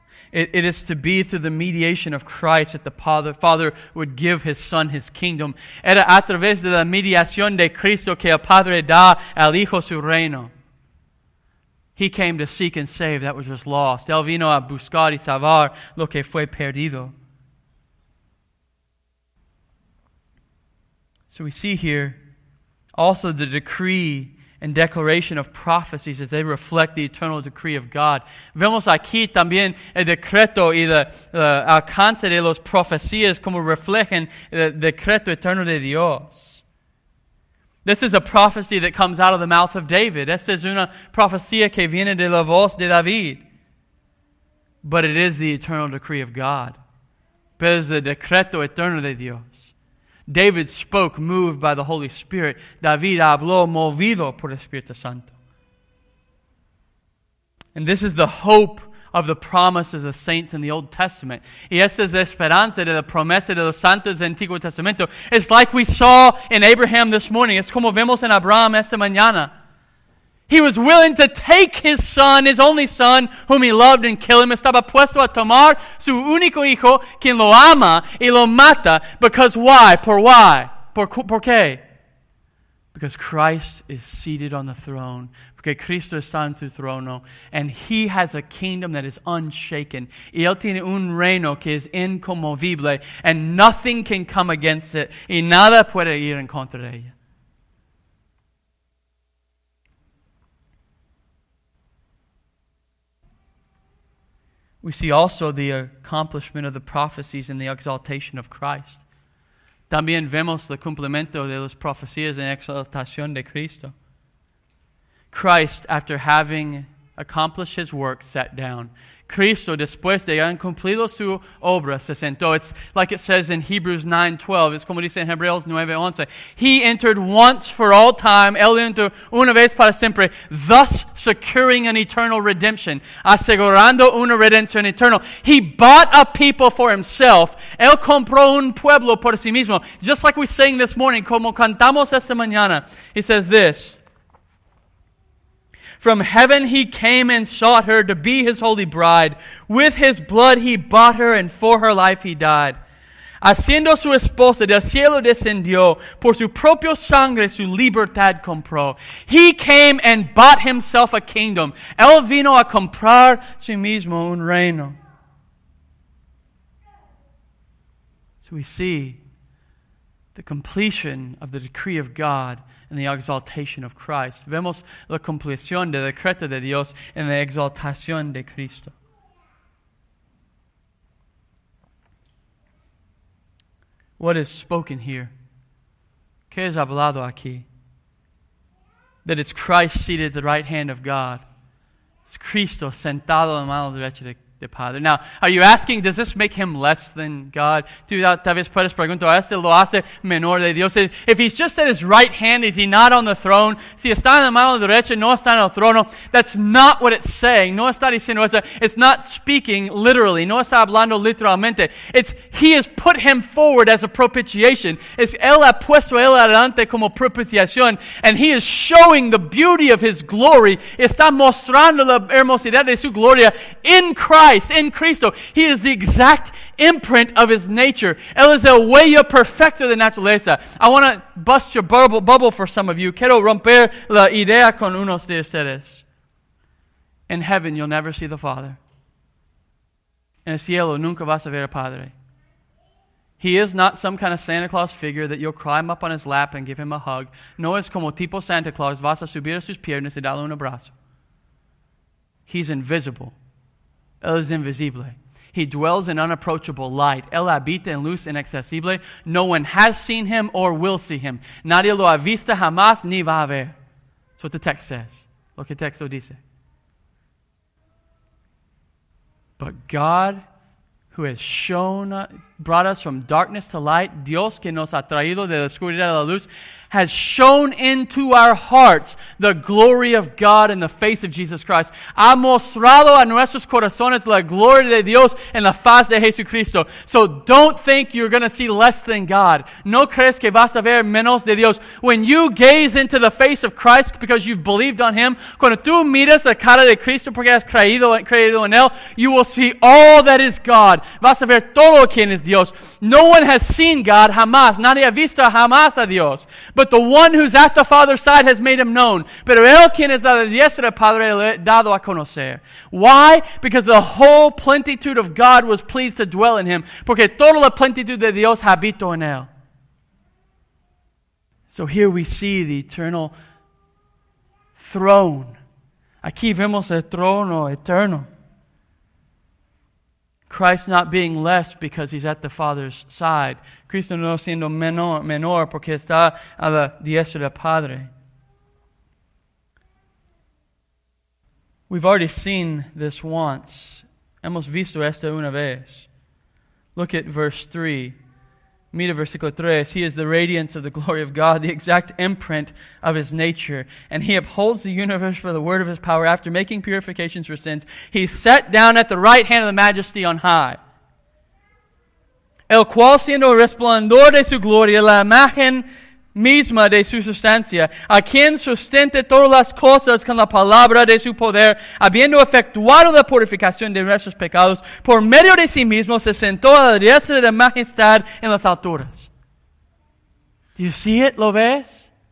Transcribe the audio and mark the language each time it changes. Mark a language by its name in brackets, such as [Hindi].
[English] It is to be through the mediation of Christ that the Father would give His Son His kingdom. [Spanish] Era a través de la mediación de Cristo que el Padre da al Hijo su reino. [English] He came to seek and save that which was lost. [Spanish] Él vino a buscar y salvar lo que fue perdido. [English] So we see here also the decree and declaration of prophecies as they reflect the eternal decree of God. [Spanish] Vemos aquí también el decreto y el alcance de las profecías como reflejan el decreto eterno de Dios. [English] This is a prophecy that comes out of the mouth of David. [Spanish] Esta es una profecía que viene de la voz de David. [English] But it is the eternal decree of God. [Spanish] Pero es el decreto eterno de Dios. [English] David spoke moved by the Holy Spirit. [Spanish] David habló movido por el Espíritu Santo. [English] And this is the hope of the promises of the saints in the Old Testament. [Spanish] Y esta es la esperanza de la promesa de los santos del Antiguo Testamento. [English] It's like we saw in Abraham this morning. [Spanish] Es como vemos en Abraham esta mañana. [English] He was willing to take his son, his only son, whom he loved, and kill him. [Spanish] Estaba puesto a tomar su único hijo, quien lo ama, y lo mata. [English] Because why? [Spanish] Por why? Por qué? [English] Because Christ is seated on the throne. [Spanish] Porque Cristo está en su trono. [English] And he has a kingdom that is unshaken. [Spanish] Y él tiene un reino que es inconmovible. [English] And nothing can come against it. [Spanish] Y nada puede ir en contra de ella. [English] We see also the accomplishment of the prophecies and the exaltation of Christ. [Spanish] También vemos el cumplimiento de las profecías en exaltación de Cristo. [English] Christ, after having accomplished his work, sat down. [Spanish] Cristo, después de haber cumplido su obra, se sentó. [English] It's like it says in Hebrews 9:12. [Spanish] Es como dice en Hebreos 9:11. [English] He entered once for all time. [Spanish] Él entró una vez para siempre. [English] Thus securing an eternal redemption. [Spanish] Asegurando una redención eterna. [English] He bought a people for himself. [Spanish] Él compró un pueblo por sí mismo. [English] Just like we sang this morning, [Spanish] como cantamos esta mañana. [English] He says this. From heaven he came and sought her to be his holy bride. With his blood he bought her, and for her life he died. [Spanish] Haciendo su esposa, del cielo descendió. Por su propio sangre su libertad compró. [English] He came and bought himself a kingdom. [Spanish] Él vino a comprar sí mismo un reino. [English] So we see the completion of the decree of God and the exaltation of Christ. [Spanish] Vemos la cumplición del decreto de Dios en la exaltación de Cristo. [English] What is spoken here? [Spanish] ¿Qué es hablado aquí? [English] That it's Christ seated at the right hand of God. It's [Spanish] Cristo sentado en la mano derecha de Padre. [English] Now, are you asking, does this make him less than God? [Spanish] Tú tal vez puedes preguntar, ¿este lo hace menor de Dios? [English] If he's just at his right hand, is he not on the throne? [Spanish] Si está en la mano derecha, no está en el trono. [English] That's not what it's saying. [Spanish] No está diciendo eso. [English] It's not speaking literally. [Spanish] No está hablando literalmente. [English] It's, he has put him forward as a propitiation. [Spanish] Es él ha puesto él adelante como propiciación. [English] And he is showing the beauty of his glory. [Spanish] Está mostrando la hermosidad de su gloria [English] in Christ. In Cristo, he is the exact imprint of his nature. [Spanish] Él es el huella perfecta de naturaleza. [English] I want to bust your bubble for some of you. [Spanish] Quiero romper la idea con unos de ustedes. [English] In heaven, you'll never see the Father. [Spanish] En el cielo, nunca vas a ver a Padre. [English] He is not some kind of Santa Claus figure that you'll climb up on his lap and give him a hug. [Spanish] No es como tipo Santa Claus. Vas a subir a sus piernas y darle un abrazo. [English] He's invisible. [Spanish] Él es invisible. [English] He dwells in unapproachable light. [Spanish] Él habita en luz inaccesible. [English] No one has seen him or will see him. [Spanish] Nadie lo ha visto jamás ni va a ver. [English] That's what the text says. [Spanish] Lo que el texto dice. [English] But God, who has shown, brought us from darkness to light, [Spanish] Dios que nos ha traído de la oscuridad a la luz, [English] has shown into our hearts the glory of God in the face of Jesus Christ. [Spanish] Ha mostrado a nuestros corazones la gloria de Dios en la faz de Jesucristo. [English] So don't think you're going to see less than God. [Spanish] No crees que vas a ver menos de Dios. [English] When you gaze into the face of Christ because you've believed on him, [Spanish] cuando tú miras la cara de Cristo porque has creído en él, [English] you will see all that is God. [Spanish] Vas a ver todo quien es Dios. [English] No one has seen God [Spanish] jamás. Nadie ha visto jamás a Dios. [English] But the one who's at the Father's side has made him known. [Spanish] Pero él quien es la diestra del Padre le ha dado a conocer. [English] Why? Because the whole plenitude of God was pleased to dwell in him. [Spanish] Porque toda la plenitud de Dios habitó en él. [English] So here we see the eternal throne. [Spanish] Aquí vemos el trono eterno. [English] Christ not being less because he's at the Father's side. [Spanish] Cristo no siendo menor porque está a la diestra del Padre. [English] We've already seen this once. [Spanish] Hemos visto esto una vez. [English] Look at verse 3. [Spanish] Mira versículo 3. [English] He is the radiance of the glory of God, the exact imprint of his nature. And he upholds the universe by the word of his power. After making purifications for sins, he sat down at the right hand of the majesty on high. [Spanish] El cual siendo resplandor de su gloria, la imagen misma de su sustancia, a quien sustente todas las cosas con la palabra de su poder, habiendo efectuado la purificación de nuestros pecados, por medio de sí mismo se sentó a la diestra de la majestad en las alturas. [English] Do you see it? [Spanish] ¿Lo ves?